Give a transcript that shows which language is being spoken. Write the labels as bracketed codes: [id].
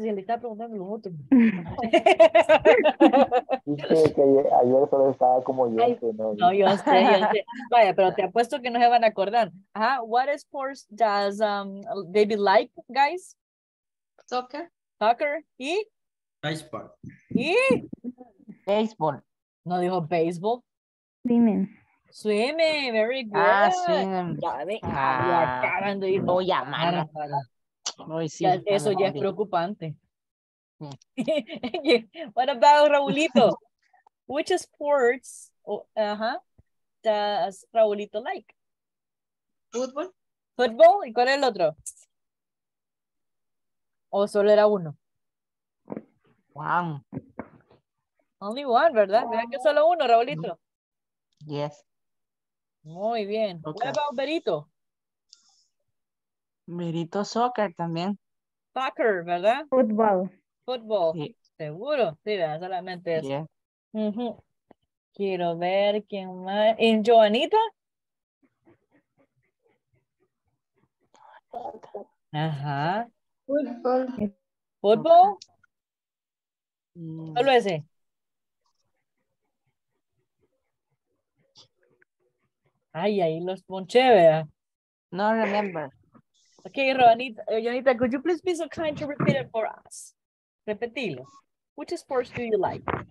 [es] Se le está preguntando lo otro. Dice que ayer solo estaba como yo. No, yo sé, yo sé. Vaya, pero te apuesto que no se van a acordar. Ajá. [en] What sports does David like, guys? Soccer. Soccer. [es] ¿Y? [en] Baseball. [es] ¿Y? [en] Baseball. [es] No dijo baseball. [en] Swimming. Swimming, very good. Ah, swimming. [es] Ya, ah, no llamar. Sí, ya, eso ya es preocupante. [en] Yeah. What about Raulito? Which sports does Raulito like? Football. [es] Football. ¿Y cuál es el otro? ¿O solo era uno? [en] Wow. Only one, [es] ¿verdad? Vean que solo uno, Raulito. [en] Yes. [es] Muy bien. [en] Okay. What about Berito? [es] Berito soccer también. Soccer, ¿verdad? [en] Football. [es] Football. Sí. Seguro. Sí, ¿verdad? Solamente eso. [en] Yeah. [es] Uh-huh. Quiero ver quién más. ¿En Joanita? Ajá. [en] Football. [es] ¿Football? Solo ese. Ay, ahí los ponché, ¿verdad? [en] No remember. Okay, Roanita, Joanita, could you please be so kind to repeat it for us? Repetilo. Which sports do you like?